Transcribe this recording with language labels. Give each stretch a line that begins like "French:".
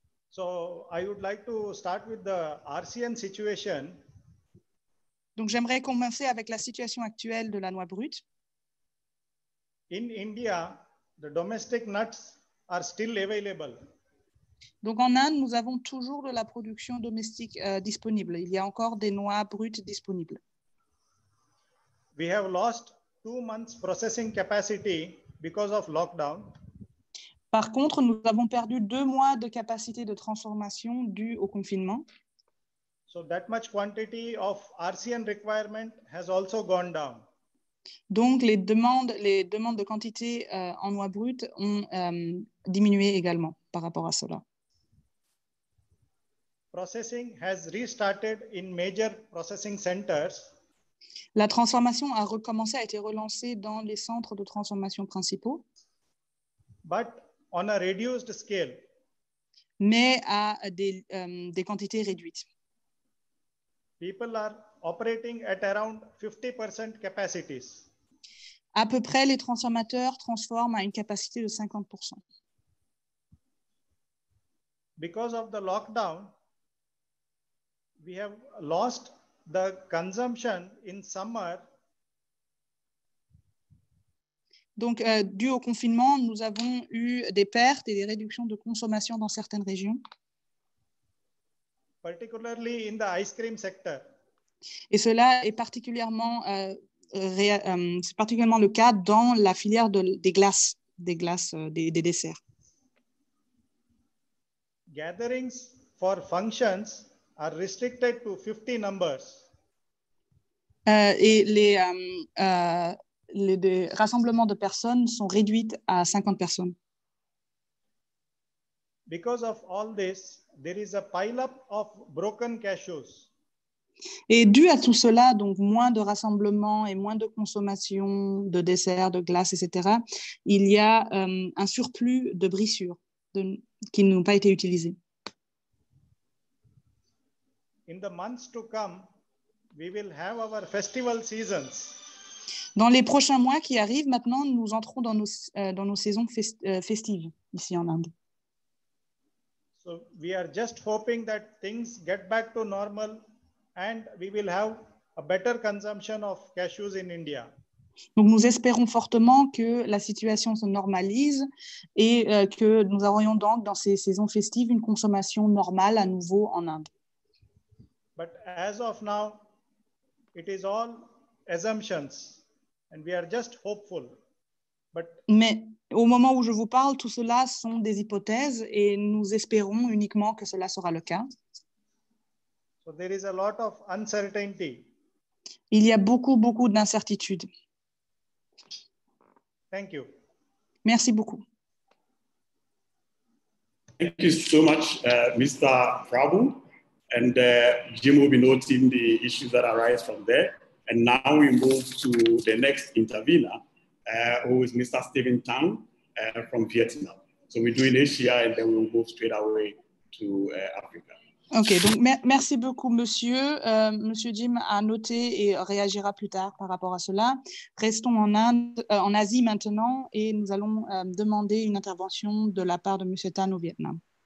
English: So I would like to start with the RCN situation.
French: Donc j'aimerais commencer avec la situation actuelle de la noix brute.
English: In India, the domestic nuts are still available.
French: Donc en Inde, nous avons toujours de la production domestique disponible. Il y a encore des noix brutes disponibles.
English: We have lost 2 months processing capacity because of lockdown.
French: Par contre, nous avons perdu 2 mois de capacité de transformation due au confinement.
English: So that much quantity of RCN requirement has also gone down.
French: Donc les demandes de quantité en noix brutes ont diminué également par rapport à cela.
English: Processing has restarted in major processing centers.
French: La transformation a recommencé, a été relancée dans les centres de transformation principaux.
English: But on a reduced scale.
French: Mais à des quantités réduites.
English: People are operating at around 50% capacities.
French: À peu près, les transformateurs transforment à une capacité de 50%.
English: Because of the lockdown, we have lost the consumption in summer.
French: Donc, dû au confinement, nous avons eu des pertes et des réductions de consommation dans certaines régions.
English: Particularly in the ice cream sector.
French: Et cela est particulièrement, c'est particulièrement le cas dans la filière des glaces, des desserts.
English: Gatherings for functions are restricted to 50 numbers.
French: Et les rassemblements de personnes sont réduits à 50 personnes.
English: Because of all this, there is a pileup of broken cashews.
French: Et dû à tout cela, donc moins de rassemblements et moins de consommation de desserts, de glaces, etc., il y a un surplus de brisures qui n'ont pas été utilisées.
English: In the months to come, we will have our festival seasons.
French: Dans les prochains mois qui arrivent, maintenant, nous entrons dans nos saisons festives ici en Inde.
English: So we are just hoping that things get back to normal and we will have a better consumption of cashews in India.
French: Donc nous espérons fortement que la situation se normalise et que nous aurions donc dans ces saisons festives une consommation normale à nouveau en Inde.
English: But as of now, It is all assumptions and we are just hopeful. But
French: mais au moment où je vous parle, tout cela sont des hypothèses et nous espérons uniquement que cela sera le cas.
English: So there is a lot of uncertainty.
French: Il y a beaucoup, beaucoup d'incertitudes.
English: Thank you.
French: Merci beaucoup.
English: Thank you so much, Mr. Prabhu. And Jim will be noting the issues that arise from there. And now we move to the next intervener, who is Mr. Stephen Tang from Vietnam. So we do in Asia and then we'll move straight away to Africa.
French: OK, donc merci beaucoup, monsieur. Monsieur Jim a noté et réagira plus tard par rapport à cela. Restons en Inde, en Asie maintenant, et nous allons demander une intervention de la part de monsieur Tan au Vietnam.